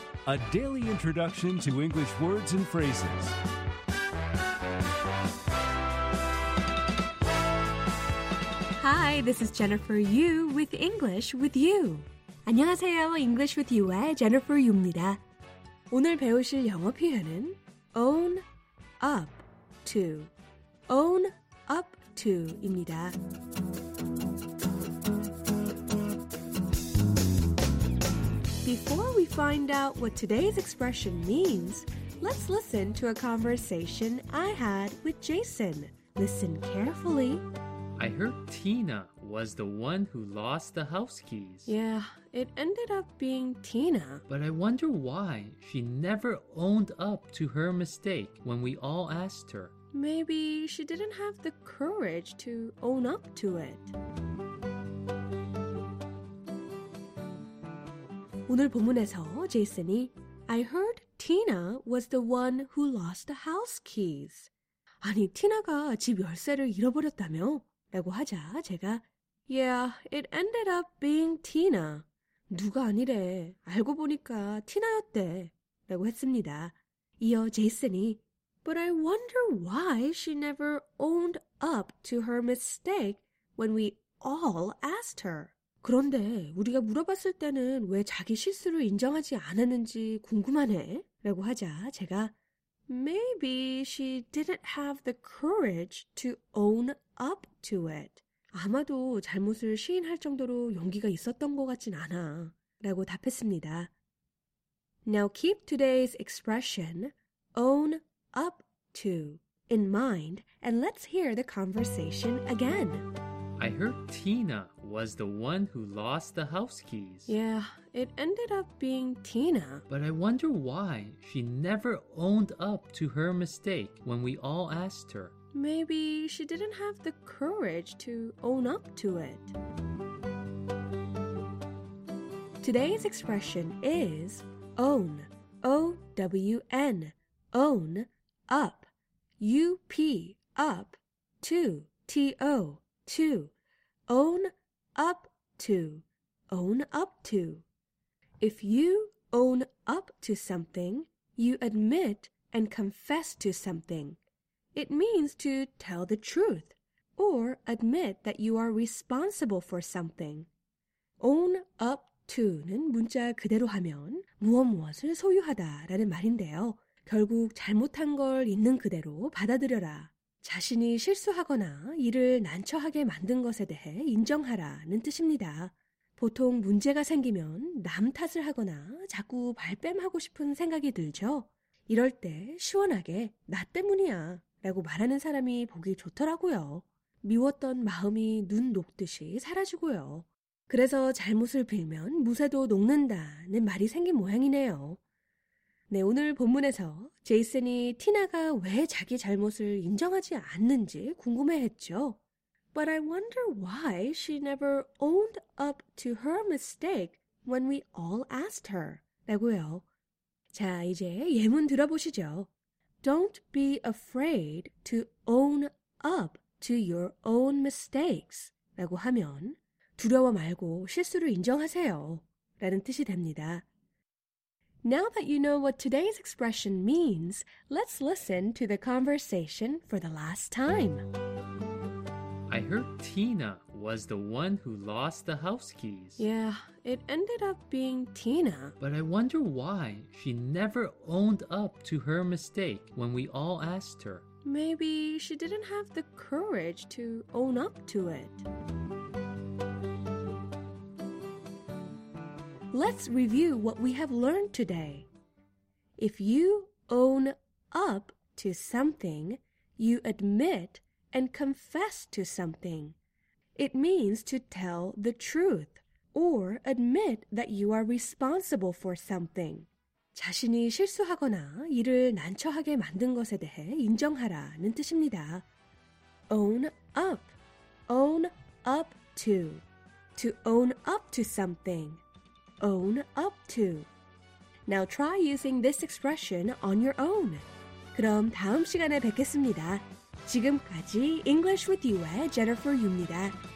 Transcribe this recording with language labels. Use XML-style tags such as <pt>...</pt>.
<en>A daily introduction to English words and phrases.</en> <ko>안녕하세요. English with you의 Jennifer Yu입니다. 오늘 배우실 영어 표현은 own up to.</ko> <en>own up to입니다. 'Before we find out what today's expression means, let's listen to a conversation I had with Jason. Listen carefully. I heard Tina was the one who lost the house keys. Yeah, it ended up being Tina. But I wonder why she never owned up to her mistake when we all asked her. Maybe she didn't have the courage to own up to it.</en> <ko>오늘 본문에서 제이슨이</ko> <en>I heard Tina was the one who lost the house keys.</en> <ko>아니, 티나가 집 열쇠를 잃어버렸다며? 라고 하자 제가</ko> <en>Yeah, it ended up being Tina.</en> <ko>누가 아니래. 알고 보니까 티나였대. 라고 했습니다. 이어 제이슨이</ko> <en>But I wonder why she never owned up to her mistake when we all asked her.</en> <ko>그런데 우리가 물어봤을 때는 왜 자기 실수를 인정하지 않았는지 궁금하네. 라고 하자 제가</ko> <en>Maybe she didn't have the courage to own up to it.</en> <ko>아마도 잘못을 시인할 정도로 용기가 있었던 것 같진 않아. 라고 답했습니다.</ko> <en>Now keep today's expression, own up to, in mind, and let's hear the conversation again. I heard Tina was the one who lost the house keys. Yeah, it ended up being Tina. But I wonder why she never owned up to her mistake when we all asked her. Maybe she didn't have the courage to own up to it. Today's expression is own, O-W-N, own, up, U-P, up, to, T-O, to. Own up to, own up to. If you own up to something, you admit and confess to something. It means to tell the truth or admit that you are responsible for something.</en> <ko>Own up to는 문자 그대로 하면 무엇 무엇을 소유하다라는 말인데요. 결국 잘못한 걸 있는 그대로 받아들여라. 자신이 실수하거나 일을 난처하게 만든 것에 대해 인정하라는 뜻입니다. 보통 문제가 생기면 남 탓을 하거나 자꾸 발뺌하고 싶은 생각이 들죠. 이럴 때 시원하게 나 때문이야 라고 말하는 사람이 보기 좋더라고요. 미웠던 마음이 눈 녹듯이 사라지고요. 그래서 잘못을 빌면 무쇠도 녹는다는 말이 생긴 모양이네요. 네, 오늘 본문에서 제이슨이 티나가 왜 자기 잘못을 인정하지 않는지 궁금해했죠.</ko> <en>But I wonder why she never owned up to her mistake when we all asked her.</en> <ko>라고요. 자, 이제 예문 들어보시죠.</ko> <en>Don't be afraid to own up to your own mistakes.</en> <ko>라고 하면 두려워 말고 실수를 인정하세요. 라는 뜻이 됩니다.</ko> <en>Now that you know what today's expression means, let's listen to the conversation for the last time. I heard Tina was the one who lost the house keys. Yeah, it ended up being Tina. But I wonder why she never owned up to her mistake when we all asked her. Maybe she didn't have the courage to own up to it. Let's review what we have learned today. If you own up to something, you admit and confess to something. It means to tell the truth or admit that you are responsible for something.</en> <ko>자신이 실수하거나 일을 난처하게 만든 것에 대해 인정하라는 뜻입니다.</ko> <en>Own up to own up to something. Own up to. Now try using this expression on your own.</en> <ko>그럼 다음 시간에 뵙겠습니다. 지금까지 English with you의 Jennifer Yu입니다.</ko>